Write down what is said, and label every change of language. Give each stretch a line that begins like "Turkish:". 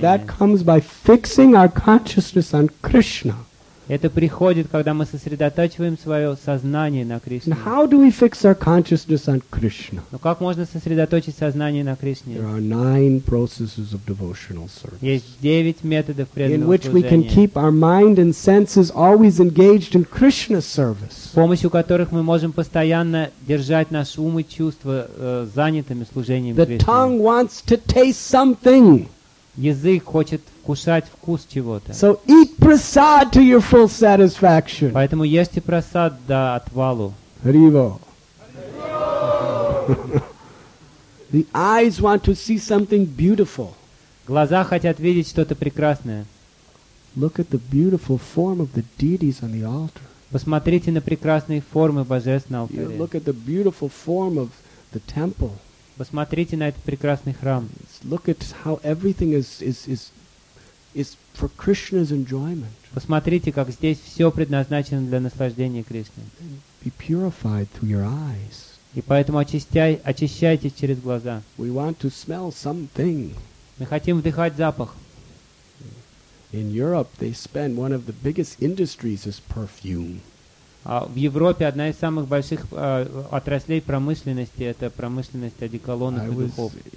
English: And that comes by fixing our consciousness on Krishna.
Russian: Это приходит, когда мы сосредотачиваем свое сознание на Кришне.
English: How do we fix our consciousness on Krishna?
Russian: Но как можно сосредоточить сознание на Кришне?
English: There are 9 processes of devotional service.
Russian: Есть 9 методов преданного служения.
English: In which we can keep our mind and senses always engaged in Krishna service.
Russian: С помощью которых мы можем постоянно держать наш ум и чувства занятыми служением Кришне.
English: The tongue wants to taste something.
Russian: Язык хочет кусать вкус чего-то.
English: So eat prasad to your full satisfaction.
Russian: Поэтому ешьте прасад до отвалу. Hrivo.
English: The eyes want to see something beautiful.
Russian: Глаза хотят видеть что-то прекрасное.
English: Look at the beautiful form of the deities on the altar.
Russian: Посмотрите на прекрасные формы божественного алтаря.
English: Look at the beautiful form of the temple.
Russian: Посмотрите на этот прекрасный храм.
English: Look at how everything is for Krishna's enjoyment.
Russian: Посмотрите, как здесь все предназначено для наслаждения Кришны.
English: Be purified through your eyes.
Russian: И поэтому очищайтесь через глаза.
English: We want to smell something.
Russian: Мы хотим вдыхать запах.
English: In Europe, they spend one of the biggest industries is perfume.
Russian: В Европе одна из самых больших отраслей промышленности – это промышленность одеколонных и духов.